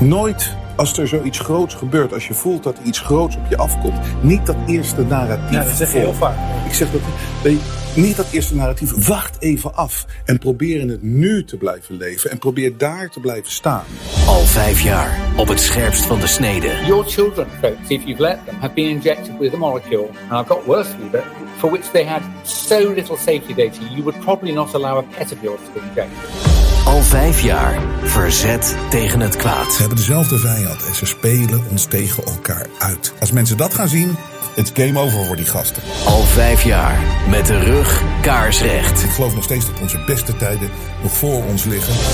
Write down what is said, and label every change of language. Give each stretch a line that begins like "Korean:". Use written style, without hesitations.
Dutch: Nooit als er zoiets groots gebeurt, als je voelt dat iets groots op je afkomt. Niet dat eerste narratief. Ja, dat zeg je heel vaak. Ik zeg dat niet dat eerste narratief. Wacht even af en probeer in het nu te blijven leven. En probeer daar te blijven staan. Al vijf jaar op het scherpst van de snede.
English: Your children, folks, if you've let them, have been injected with a molecule. And I've got worse for you, but for which they had so little safety data, you would probably not allow a pet of yours to be injected.
Dutch: Al vijf jaar verzet tegen het kwaad. Ze hebben dezelfde vijand en ze spelen ons tegen elkaar uit. Als mensen dat gaan zien, het is game over voor die gasten. Al vijf jaar met de rug kaarsrecht. Ik geloof nog steeds dat onze beste tijden nog voor ons liggen.